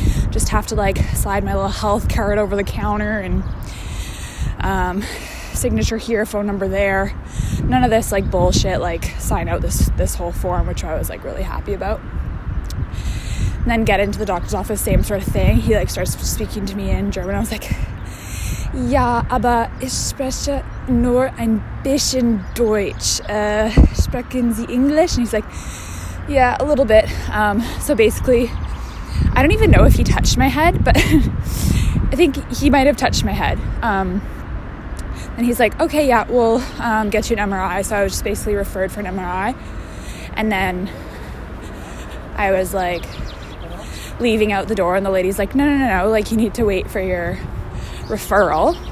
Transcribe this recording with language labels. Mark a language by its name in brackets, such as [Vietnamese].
[English] Just have to, like, slide my little health card over the counter and, signature here, phone number there. None of this like bullshit, like sign out this whole form, which I was like really happy about. And then get into the doctor's office, same sort of thing. He like starts speaking to me in German. I was like, [German] ja, aber ich spreche nur ein bisschen Deutsch. Sprechen Sie Englisch? [English] And he's like, yeah, a little bit. So basically, I don't even know if he touched my head, but I think he might have touched my head. And he's like, okay, yeah, we'll get you an MRI. So I was just basically referred for an MRI. And then I was like leaving out the door, and the lady's like, no, like you need to wait for your referral.